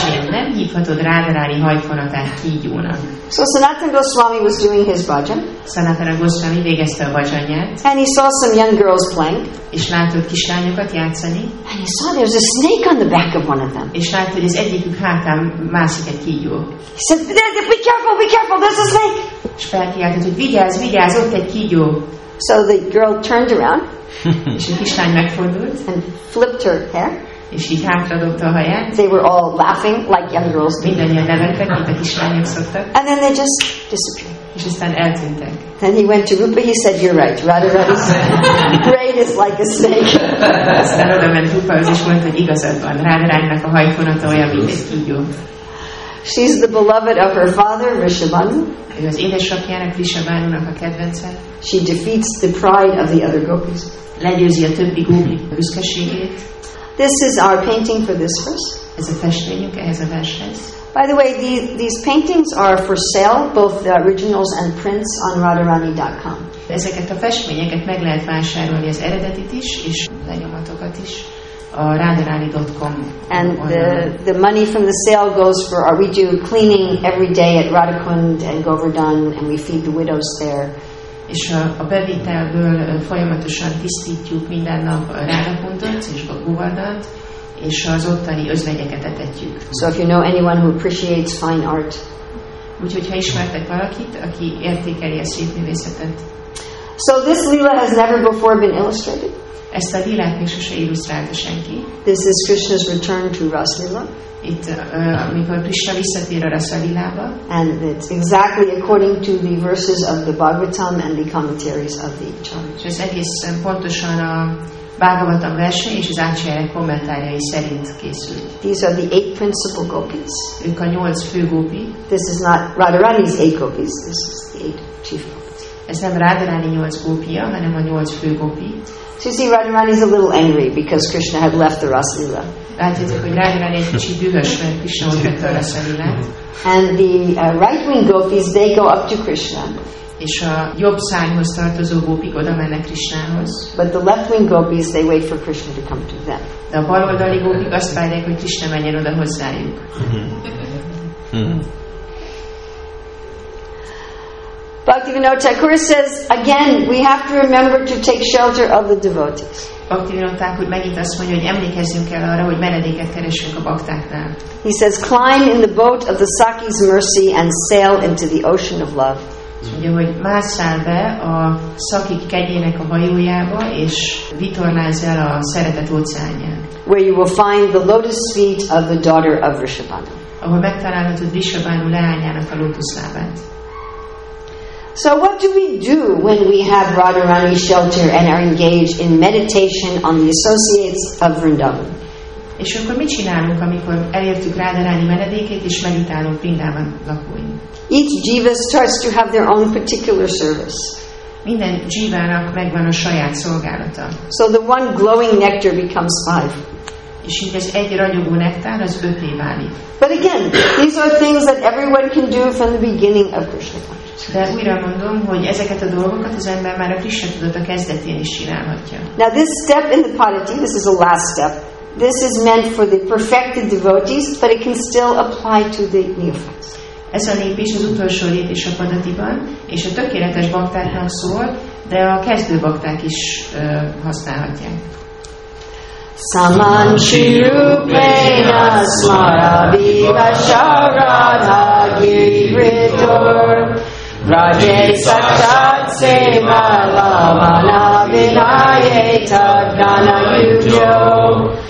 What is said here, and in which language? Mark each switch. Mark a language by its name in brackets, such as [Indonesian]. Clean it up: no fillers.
[Hungarian] Nem hívhatod Radharani hajfonatát kígyónak. [English] So Sanatana Goswami was doing his bhajan. [Hungarian] Sanatana Goswami végezte a bhajanját. [English] And he saw some young girls playing. [Hungarian] És látott kislányokat játszani. [English] And he saw there's a snake on the back of one of them. [Hungarian] És látott, hogy az egyikük hátán mászik egy kígyó. [English] He said, "Be careful, be careful, there's a snake." [Hungarian] És felkiáltott, hogy vigyázz, vigyázz, ott egy kígyó. [English] So the girl turned around. [Hungarian] És a kislány megfordult. [English] And flipped her hair. [Hungarian] És így hátradobta a haját. [English] They were all laughing like young girls. [Hungarian] Mindannyian nevettek, mint a kislányok szoktak. [English] And then they just disappeared. [Hungarian] És aztán eltűntek. [English] Then he went to Rupa. He said, "You're right. Radharani's braid is like a snake." [Hungarian] Aztán oda ment Rupa, és mondta, hogy igazad van. Radharaninak a hajfonata olyan, mint egy kígyó. [English] She's the beloved of her father, Vrishabhanu. [Hungarian] Ő az édesapjának, Vrishabhanunak a kedvence. [English] She defeats the pride of the other gopis. [Hungarian] Legyőzi a többi gópi büszkeségét. [English] This is our painting for this verse. [Hungarian] Ez a festményünk ehhez a vershez. [English] By the way, these paintings are for sale, both the originals and prints, on radharani.com. [Hungarian] Ezeket a festményeket meg lehet vásárolni, az eredetit is, és lenyomatokat is. Radharani.com. [English] And the money from the sale goes for our, we do cleaning every day at Radhakund and Govardhan, and we feed the widows there. [Hungarian] És a bevételből folyamatosan tisztítjuk minden nap a Radhakundot és a Govardhant, és az ottani özvegyeket etetjük. [English] So if you know anyone who appreciates fine art, [Hungarian] úgyhogy ha ismertek valakit, aki értékeli a szép művészetet. [English] So this lila has never before been illustrated. [Hungarian] Ezt a lilát még sose illusztrálta senki. [English] This is Krishna's return to Rasalila. [Hungarian] Itt, amikor Krishna visszatér a Rasalilába. [English] And it's exactly according to the verses of the Bhagavatam and the commentaries of the Acharyas. [Hungarian] Ez egész pontosan a Bhagavatam verse és az Acharyák kommentárjai szerint készül. [English] These are the eight principal gopis. [Hungarian] Ők a nyolc fő gopi. [English] This is not Radharani's eight gopis. This is the eight chief gopis. [Hungarian] Ez nem Radharani nyolc gópia, hanem a nyolc fő gópi. [English] So you see, Radharani is a little angry because Krishna had left the Rasalila. [Hungarian] Látjátok, hogy Radharani egy kicsit dühös, mert Krishna ott hagyta a Rasalilát. [English] And the right-wing gopis, they go up to Krishna. [Hungarian] És a jobb szárnyhoz tartozó gópik oda mennek Krishnához. [English] But the left-wing gopis, they wait for Krishna to come to them. [Hungarian] De a baloldali gópik azt várják, hogy Krishna menjen oda hozzájuk. [English] Bhaktivinoda Thakur says, again, we have to remember to take shelter of the devotees. [Hungarian] Bhaktivinoda Thakur megint azt mondja, hogy emlékezzünk el arra, hogy menedéket keressünk a baktáknál. [English] He says, climb in the boat of the Saki's mercy and sail into the ocean of love. [Hungarian] Mondja, hogy mászál be a Sakik kegyének a hajójába, és vitornázz el a szeretet óceánján. [English] Where you will find the lotus feet of the daughter of Vrishabhanu. [Hungarian] Ahol megtalálhatod Vrishabhanu leányának a lótuszlábát. [English] So what do we do when we have Radharani shelter and are engaged in meditation on the associates of Vrindavan? [Hungarian] És akkor mit csinálunk, amikor elértük Radharani menedékét és meditálunk Vrindavan lakóin? [English] Each jiva starts to have their own particular service. [Hungarian] Minden jivának megvan a saját szolgálata. [English] So the one glowing nectar becomes five. [Hungarian] És így az egy ragyogó nektár az öté válik. [English] But again, these are things that everyone can do from the beginning of Krishna consciousness. [Hungarian] De újra mondom, hogy ezeket a dolgokat az ember már a Krishna tudata kezdetén is csinálhatja. [English] Now this step in the paditi, this is the last step. This is meant for the perfected devotees, but it can still apply to the neophytes. [Hungarian] Ez a lépés az utolsó lépés a paditiban, és a tökéletes baktáknak szól, de a kezdő bakták is használhatják. [Sanskrit] Saman shirupena smarabi vasharada giridur Raje sakshat seva lavana vinaye tadgana yujo